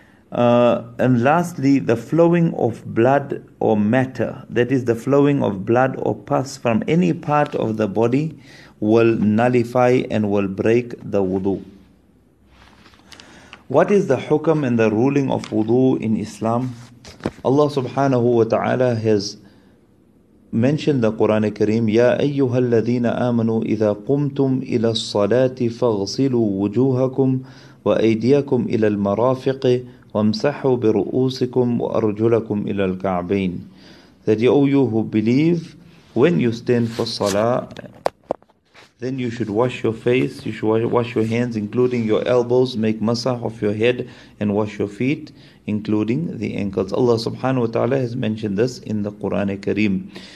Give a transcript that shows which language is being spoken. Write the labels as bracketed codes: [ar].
[en] And lastly, the flowing of blood or matter, that is the flowing of blood or pus from any part of the body, will nullify and will break the wudu. What is the hukam and the ruling of wudu in Islam? Allah subhanahu wa ta'ala has mentioned the Quran Kareem, [ar] يَا أَيُّهَا الَّذِينَ آمَنُوا إِذَا قُمْتُمْ إِلَى الصَّلَاةِ فَاغْسِلُوا وُجُوهَكُمْ وَأَيْدِيَكُمْ إِلَى الْمَرَافِقِ وَامْسَحُوا بِرُؤُوسِكُمْ وَأَرْجُلَكُمْ إِلَى الْكَعْبَيْنِ. [en] That you, O you who believe, when you stand for salah, then you should wash your face, you should wash your hands, including your elbows, make masah of your head, and wash your feet, including the ankles. Allah subhanahu wa ta'ala has mentioned this in the Quran Kareem.